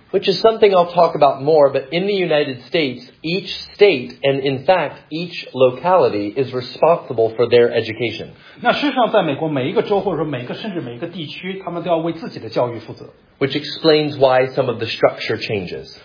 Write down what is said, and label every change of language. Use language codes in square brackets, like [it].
[en] Which is something I'll talk about more, but in the United States, each state, and in fact, each locality, is responsible for their education. [zh] 那事实上在美国每一个州,或者说每一个甚至每一个地区,他们都要为自己的教育负责。 [en] Which explains why some of the structure changes.